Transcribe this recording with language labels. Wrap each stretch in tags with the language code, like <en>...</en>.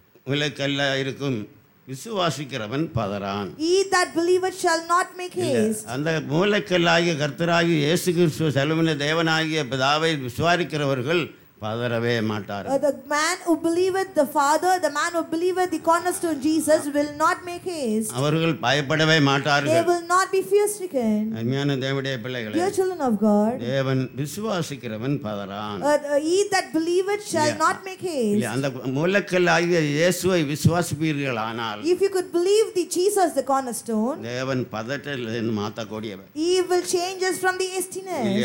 <ta>மூலைக்கல்லாயிருக்கும் விசுவாசிக்கிறவன் பதறான்</ta> <en>he that believer shall not make haste</en> <ta>அந்த மூலக்கல்லாகிய கர்த்தராகிய இயேசு கிறிஸ்து செல்வமுள்ள தேவனாகிய பிதாவை விசுவாசிக்கிறவர்கள் பதறவே மாட்டார்கள்</ta> <en>the man who believeth the father the man who believeth the cornerstone jesus will not make haste</en> <ta>அவர்கள் பயப்படவே மாட்டார்கள்</ta> <en>they will not be fear stricken</en> <ta>அருமையான தேவனுடைய பிள்ளைகளே</ta> <en>dear children of god</en> <ta>தேவன் விசுவாசிக்கிறவன் பதறான்</ta> <en>he that believeth shall not make haste</en> <ta>அந்த மூலக்கல்லாகிய இயேசுவை விசுவாசிப்பீர்கள் ஆனால்</ta> <en>if you could believe the jesus the cornerstone</en> <ta>தேவன் பதட்டத்திலிருந்து மாற்றக்கூடியவர்</ta> <en>he will change us from the hastiness</en>